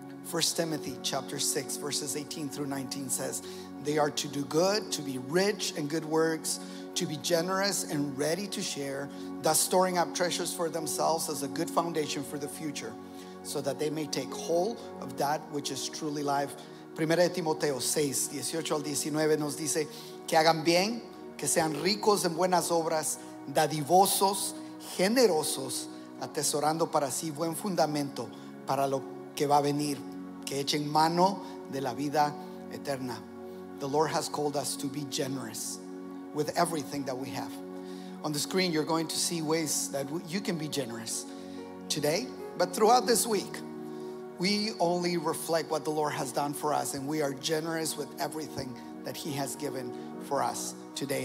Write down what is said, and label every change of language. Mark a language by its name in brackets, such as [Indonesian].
[English] 1 Timothy chapter 6, verses 18 through 19 says, "They are to do good, to be rich in good works, to be generous and ready to share, thus storing up treasures for themselves as a good foundation for the future, so that they may take hold of that which is truly life." [Spanish] 1 Timoteo 6, 18 al 19 nos dice, "Que hagan bien, que sean ricos en buenas obras, dadivosos, generosos, atesorando para sí buen fundamento para lo que va a venir, que echen mano de la vida eterna." [English] The Lord has called us to be generous with everything that we have. On the screen, you're going to see ways that you can be generous today, but throughout this week, we only reflect what the Lord has done for us, and we are generous with everything that he has given for us today.